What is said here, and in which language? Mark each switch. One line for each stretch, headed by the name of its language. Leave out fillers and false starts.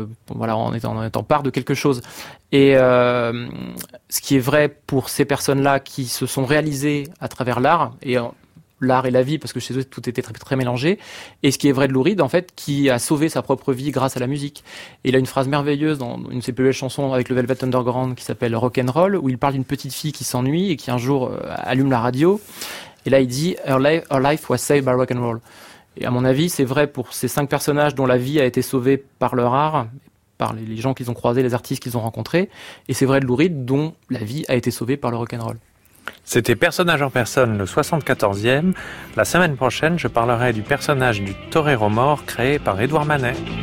French: En étant part de quelque chose. Et ce qui est vrai pour ces personnes-là qui se sont réalisées à travers l'art, et l'art et la vie, parce que chez eux tout était très, très mélangé, et ce qui est vrai de Lou Reed, en fait, qui a sauvé sa propre vie grâce à la musique. Et il a une phrase merveilleuse dans une de ses plus belles chansons avec le Velvet Underground qui s'appelle Rock'n'Roll, où il parle d'une petite fille qui s'ennuie et qui un jour allume la radio. Et là, il dit
English: Her life was saved by rock'n'roll.
French: Et à mon avis, c'est vrai pour ces 5 personnages dont la vie a été sauvée par leur art, par les gens qu'ils ont croisés, les artistes qu'ils ont rencontrés. Et c'est vrai de Lou Reed, dont la vie a été sauvée par le rock'n'roll. C'était Personnage en Personne, le 74e. La semaine prochaine, je parlerai du personnage du torero mort créé par Édouard Manet.